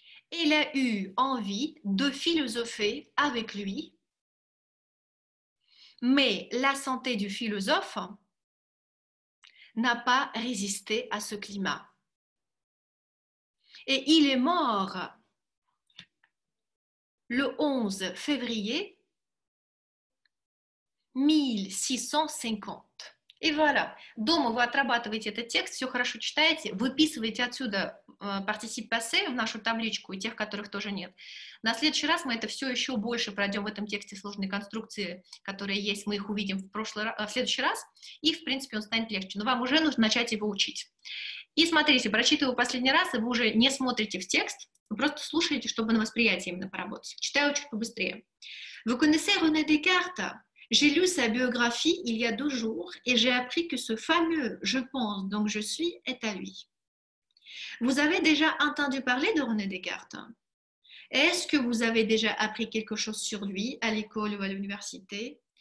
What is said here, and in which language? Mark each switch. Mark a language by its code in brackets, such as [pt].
[fr] Elle a eu envie de philosopher avec lui, mais la santé du philosophe n'a pas résisté à ce climat. Et il est mort le 11 février 1650. [ru] И voilà. Дома вы отрабатываете этот текст, все хорошо читаете, выписываете отсюда particip passé в нашу табличку и тех, которых тоже нет. На следующий раз мы это все еще больше пройдем в этом тексте сложные конструкции, которые есть, мы их увидим в следующий раз, и в принципе он станет легче. Но вам уже нужно начать его учить. И смотрите, прочитываю последний раз, и вы уже не смотрите в текст, вы просто слушаете, чтобы на восприятие именно поработать. Читаю чуть побыстрее. Вы [fr] connaissez [ru] René Descartes? [fr] J'ai lu sa biographie il y a 2 jours et j'ai appris que ce fameux «je pense, donc je suis» est à lui. Vous avez déjà entendu parler de René Descartes? Est-ce que vous avez déjà appris quelque chose sur lui à l'école ou à l'université?